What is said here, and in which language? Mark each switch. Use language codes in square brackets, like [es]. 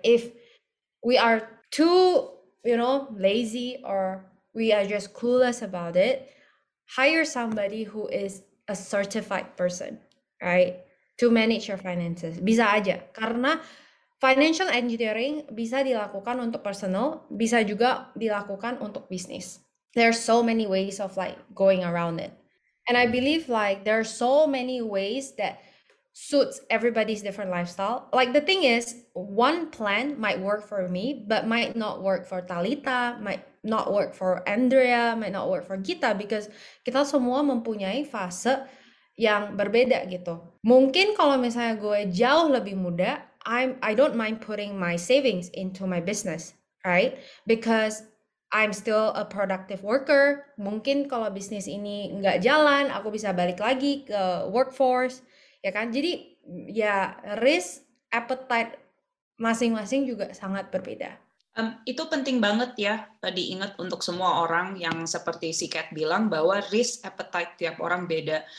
[en] If we are too, you know, lazy or we are just clueless about it, hire somebody who is a certified person, right, to manage your finances. [id] Bisa aja, karena financial engineering bisa dilakukan untuk personal, bisa juga dilakukan untuk business. [en] There are so many ways of like going around it, and I believe like there are so many ways that suits everybody's different lifestyle. Like the thing is, one plan might work for me but might not work for Talita, might not work for Andrea, might not work for Gita, because [id] kita semua mempunyai fase yang berbeda gitu. Mungkin kalau misalnya gue jauh lebih muda, [en] I don't mind putting my savings into my business, right? Because I'm still a productive worker. [id] Mungkin kalau bisnis ini nggak jalan, aku bisa balik lagi ke workforce. Ya kan? Jadi ya risk appetite masing-masing juga sangat berbeda. Itu penting banget ya, tadi ingat untuk semua orang yang seperti si Kat bilang bahwa risk appetite tiap orang beda.